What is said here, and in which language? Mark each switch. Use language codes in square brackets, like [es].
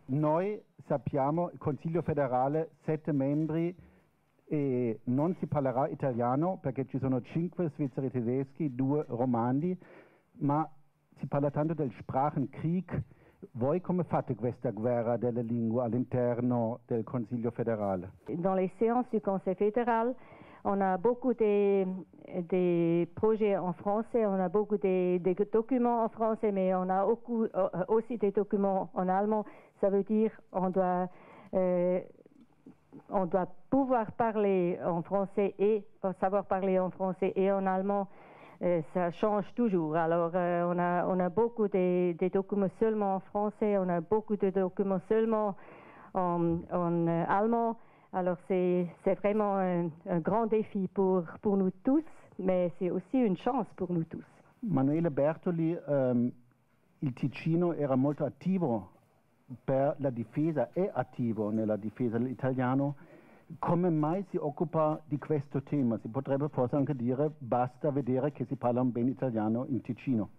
[it] Noi sappiamo, il Consiglio federale, 7 membri, e non si parlerà italiano perché ci sono 5 svizzeri tedeschi, 2 romani, ma si parla tanto del Sprachenkrieg. Voi come fate questa guerra delle lingue all'interno del Consiglio federale? Nelle séances del Consiglio federale, [fr] on a beaucoup de projets en français, on a beaucoup de documents en français, mais on a aussi des documents en allemand. Ça veut dire on doit pouvoir parler en français et savoir parler en français et en allemand. Ça change toujours. Alors on a beaucoup de documents seulement en français, on a beaucoup de documents seulement en allemand. Alors c'est vraiment un grand défi pour nous tous. mais c'est aussi une chance pour nous tous. [it] Manuele Bertoli, il Ticino era molto attivo per la difesa, è attivo nella difesa dell'italiano. Come mai si occupa di questo tema? Si potrebbe forse anche dire basta vedere che si parla un bene italiano in Ticino.